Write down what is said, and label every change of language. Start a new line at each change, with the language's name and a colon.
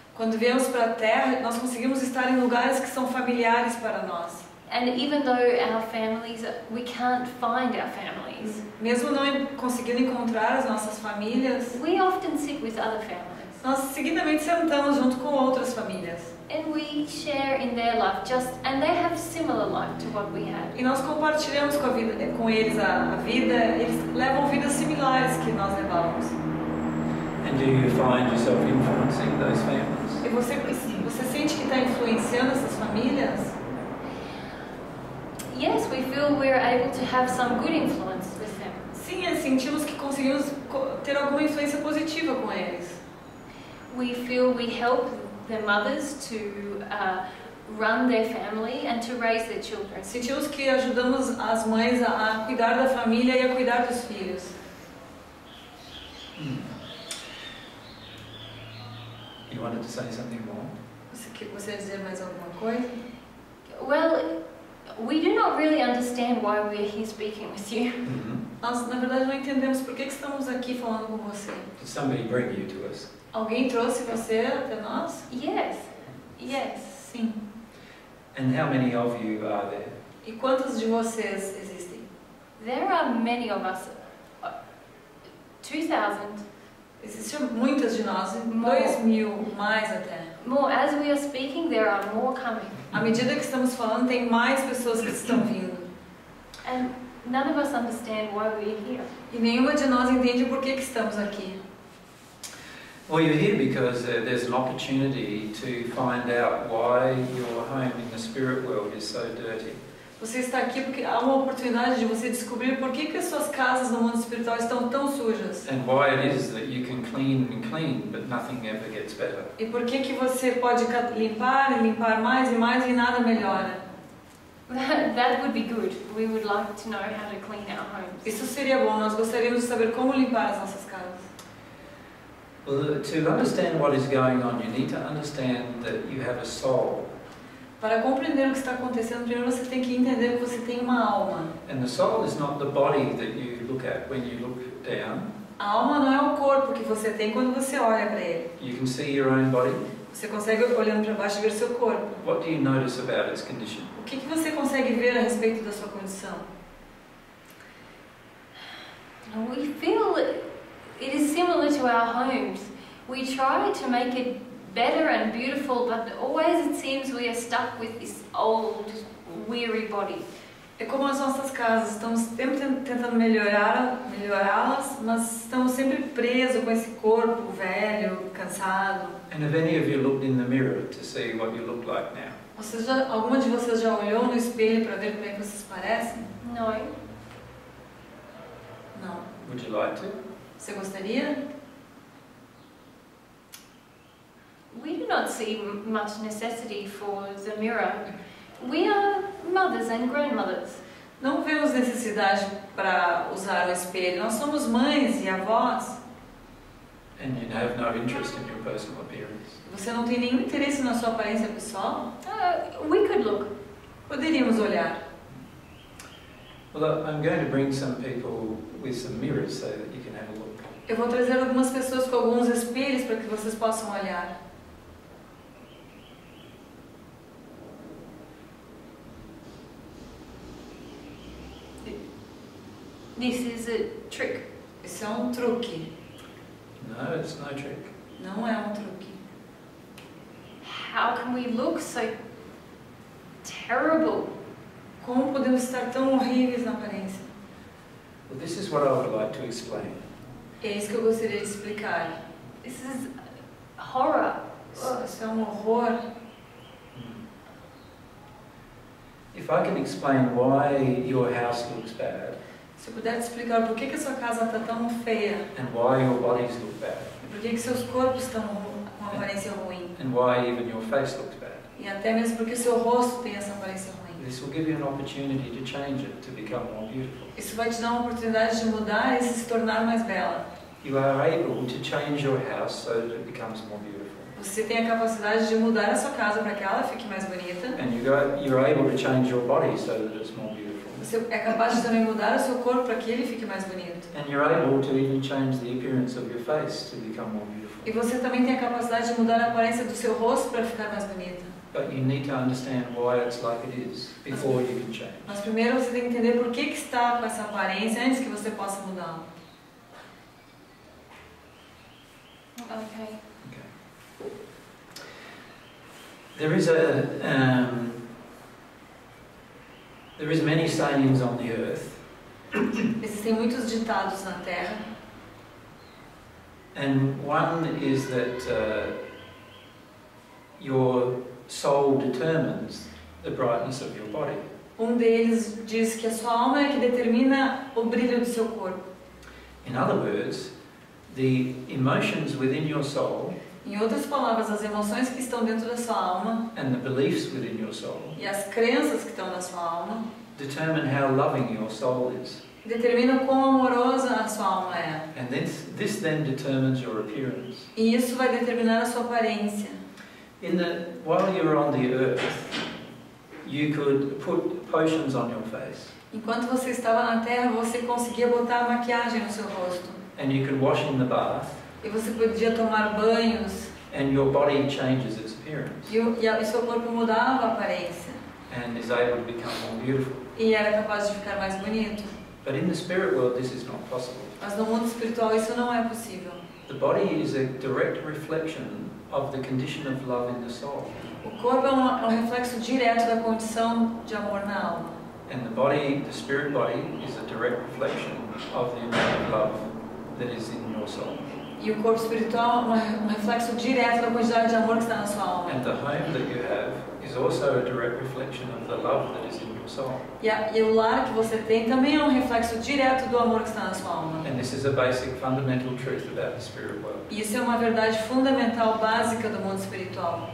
Portuguese: Quando viemos para a Terra, nós conseguimos estar em lugares que são familiares para nós.
English: And even though our families, we can't find our families.
Portuguese: Mesmo não conseguindo encontrar as nossas famílias.
English: We often sit with other families.
Portuguese: Nós seguidamente sentamos junto com outras famílias.
English: And we share in their life, and they have similar life to what we have.
Portuguese: E nós compartilhamos com eles a vida. Eles levam vidas similares que nós levamos.
English: And And do you find yourself influencing those families?
Portuguese: E você sente que está influenciando essas famílias?
English: Yes, we feel we're able to have some good influence with them.
Portuguese: Sim, sentimos que conseguimos ter alguma influência positiva com eles.
English: We feel we help the mothers to run their family and to raise their children.
Portuguese: Sentimos que ajudamos as mães a cuidar da família e a cuidar dos filhos.
English: You wanted to say something more?
Portuguese: Você quer dizer mais alguma coisa?
English: Well, we do not really understand why we are here speaking with you.
Portuguese: Nós, na verdade, não entendemos por que estamos aqui falando com você.
English: Did somebody bring you to us?
Portuguese: Alguém trouxe você até nós?
English: Yes. Yes.
Portuguese: Sim.
English: And how many of you are there?
Portuguese: E quantos de vocês existem?
English: There are many of us. 2,000.
Portuguese: Existem muitas de nós. 2,000 mais até.
English: More. As we are speaking, there are more coming.
Portuguese: À medida que estamos falando, tem mais pessoas que estão vindo.
English: And none of us understand why we are here.
Portuguese: E nenhuma de nós entende por que estamos aqui.
English: Well, you're here because there's an opportunity to find out why your home in the spirit world is so dirty.
Portuguese: Você está aqui porque há uma oportunidade de você descobrir por que as suas casas no mundo espiritual estão tão sujas.
English: And why it is that you can clean and clean, but nothing ever gets better.
Portuguese: E por que você pode limpar e limpar mais e mais e nada melhora?
English: That would be good. We would like to know how to clean our homes.
Portuguese: Isso seria bom. Nós gostaríamos de saber como limpar as nossas casas.
English: Well, to understand what is going on, you need to understand that you have a soul.
Portuguese: Para compreender o que está acontecendo, primeiro você tem que entender que você tem uma alma.
English: And the soul is not the body that you look at when you look down.
Portuguese: A alma não é o corpo que você tem quando você olha para ele.
English: You can see your own body.
Portuguese: Você consegue, olhando para baixo, ver seu corpo.
English: What do you notice about its condition?
Portuguese: O que você consegue ver a respeito da sua condição?
English: We feel it is similar to our homes. We try to make it better and beautiful, but always it seems we are stuck with this old, weary body.
Portuguese: É como as nossas casas. Estamos sempre tentando melhorá-las, mas estamos sempre presos com esse corpo velho, cansado.
English: And have any of you looked in the mirror to see what you look like now?
Portuguese: Alguma de vocês já olhou no espelho para ver como é que vocês parecem?
English: No. No. Would you like to?
Portuguese: Você gostaria?
English: We do not see much necessity for the mirror. We are mothers and grandmothers.
Portuguese: Não vemos necessidade para usar o espelho. Nós somos mães e avós.
English: And you have no interest in your personal appearance.
Portuguese: Você não tem nenhum interesse na sua aparência pessoal?
English: We could look.
Portuguese: Poderíamos olhar.
English: Well, I'm going to bring some people with some mirrors so that you can have a look.
Portuguese: Eu vou trazer algumas pessoas com alguns espelhos para que vocês possam olhar.
English: This is a trick.
Portuguese: Isso é um truque.
English: No, it's no trick.
Portuguese: Não é um truque.
English: How can we look so terrible?
Portuguese: Como podemos estar tão horríveis na aparência?
English: Well, this is what I would like to explain.
Portuguese: É isso que eu gostaria de explicar.
English: This is horror.
Portuguese: Isso é um horror.
English: If I can explain why your house looks bad.
Portuguese: Se eu puder te explicar por que a sua casa está tão feia.
English: And why your bodies look bad.
Portuguese: Por que seus corpos estão com aparência ruim.
English: And why even your face looks bad.
Portuguese: E até mesmo porque seu rosto tem essa aparência ruim.
English: This will give you an opportunity to change it to become more beautiful.
Portuguese: Isso vai te dar uma oportunidade de mudar e se tornar mais bela.
English: You are able to change your house so that it becomes more beautiful.
Portuguese: Você tem a capacidade de mudar a sua casa para que ela fique mais bonita.
English: And you're able to change your body so that it's more beautiful.
Portuguese: Você é capaz de também mudar o seu corpo para que ele fique mais bonito.
English: And you're able to even change the appearance of your face to become more beautiful.
Portuguese: E você também tem a capacidade de mudar a aparência do seu rosto para ficar mais bonita.
English: But you need to understand why it's like it is before you can change.
Portuguese: Mas primeiro você tem que entender por que está com essa aparência antes que você possa mudar.
English: Okay. There is a there is many sayings on the earth.
Portuguese: Existem muitos ditados na Terra.
English: And one is that your soul determines the brightness of your body.
Portuguese: Um deles diz que a sua alma é que determina o brilho do seu corpo.
English: In other words, the emotions within your soul.
Portuguese: Em outras palavras, as emoções que estão dentro da sua alma.
English: And the beliefs within your soul.
Portuguese: E as crenças que estão na sua alma.
English: Determine how loving your soul is.
Portuguese: Determina quão amorosa a sua alma é.
English: And this then determines your appearance.
Portuguese: E isso vai determinar a sua aparência.
English: While you're on the earth, you could put potions on your face.
Portuguese: Enquanto você estava na Terra, você conseguia botar maquiagem no seu rosto.
English: And you could wash in the bath.
Portuguese: E você podia tomar banhos.
English: And your body changes its appearance.
Portuguese: E seu corpo mudava a aparência.
English: And is able to become more beautiful.
Portuguese: E era capaz de ficar mais bonito.
English: But in the spirit world, this is not possible.
Portuguese: Mas no mundo espiritual, isso não é possível.
English: The body is a direct reflection of the condition of love in the soul.
Portuguese: O corpo é um reflexo direto da condição de amor na alma.
English: And the body, the spirit body, is a direct reflection of the amount of love that is in your soul.
Portuguese: E o corpo espiritual é um reflexo direto da quantidade de amor que está na sua alma.
English: And the home that you have is also a direct reflection of the love that is in your soul.
Portuguese: E o lar que você tem também é um reflexo direto do amor que está na sua alma.
English: And this is a basic fundamental truth about the spirit world.
Portuguese: E isso é uma verdade fundamental básica do mundo espiritual.